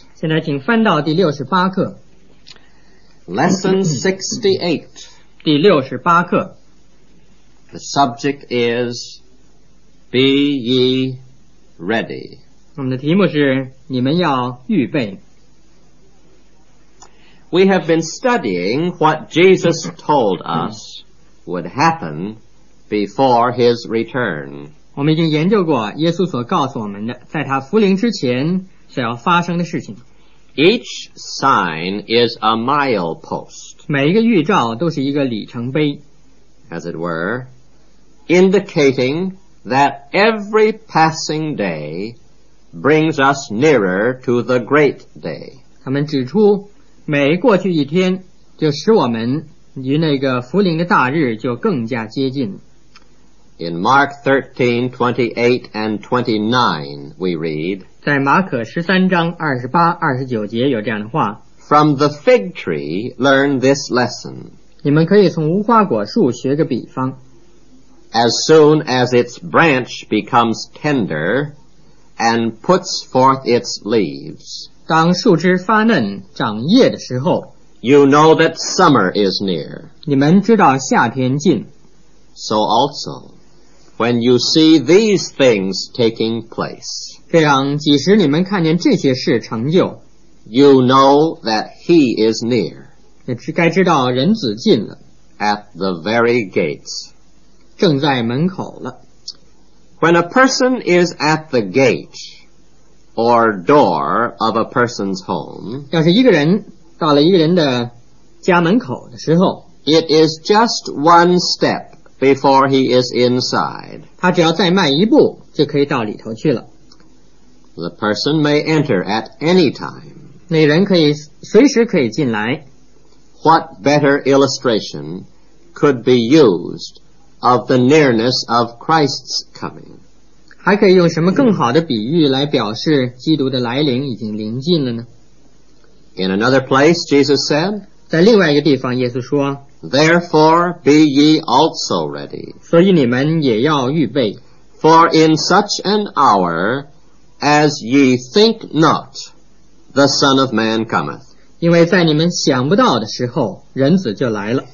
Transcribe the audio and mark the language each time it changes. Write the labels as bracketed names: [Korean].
[Chinese] 现在请翻到第六十八课。 [English] Lesson 68. [Chinese] 第六十八课。 [English] The subject is Be ye ready. [Chinese] 我们的题目是你们要预备。 [English] We have been studying what Jesus told us would happen before his return. [Chinese] 我们已经研究过耶稣所告诉我们的在他复临之前所要发生的事情。 [English] Each sign is a milepost. [Chinese] 每一个预兆都是一个里程碑。 [English] As it were, indicating that every passing day brings us nearer to the great day. [Chinese] 他们指出每过去一天就使我们与那个复临的大日就更加接近。 [English] In Mark 13:28 and 29, we read, From the fig tree, learn this lesson. [Chinese] 你们可以从无花果树学个比方。 [English] As soon as its branch becomes tender and puts forth its leaves, [Chinese] 当树枝发嫩长叶的时候， [English] You know that summer is near. [Chinese] 你们知道夏天近。 [English] So also,When you see these things taking place, [Chinese] 这样即使你们看见这些事成就， [English] you know that he is near, [Chinese] 也该知道人子近了， [English] at the very gates, [Chinese] 正在门口了。 [English] When a person is at the gate or door of a person's home, [Chinese] 要是一个人到了一个人的家门口的时候， [English] it is just one step,Before he is inside, [Chinese] 他只要再迈一步就可以到里头去了。 [English] The person may enter at any time. [Chinese] 那人可以随时可以进来。 [English] What better illustration could be used of the nearness of Christ's coming? [Chinese] 还可以用什么更好的比喻来表示基督的来临已经临近了呢？ [English] In another place, Jesus said, [Chinese] 在另外一个地方耶稣说， [English] Therefore, be ye also ready. [Chinese] 所以你们也要预备。 [English] For in such an hour as ye think not, the Son of Man cometh. [Chinese] 因为在你们想不到的时候，人子就来了。